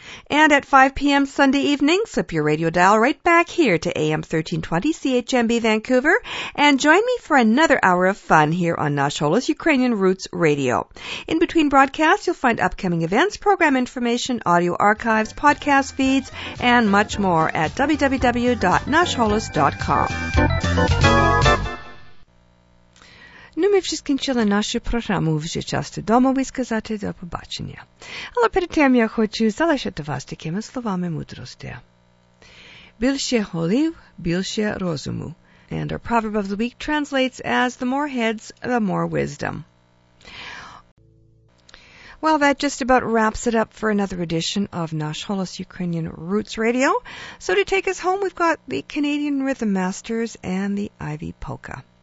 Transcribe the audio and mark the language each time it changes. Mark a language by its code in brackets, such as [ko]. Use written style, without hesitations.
[en] And at 5 p.m. Sunday evening, slip your radio dial right back here to AM 1320 CHMB Vancouver and join me for another hour of fun here on Nash Holos Ukrainian Roots Radio. In between broadcasts, you'll find upcoming events, program information, audio archives, podcast feeds, and much more at www.nashholos.com. [uk] Ну, ми всі скінчили нашу програму. Вже час додому, ви сказати, до побачення. Але перед тим я хочу залишити вас такими словами мудрості. Більше голів, більше розуму. [en] And our proverb of the week translates as, the more heads, the more wisdom. Well, that just about wraps it up for another edition of Nash Holos Ukrainian Roots Radio. So to take us home, we've got the Canadian Rhythm Masters and the Ivy Polka.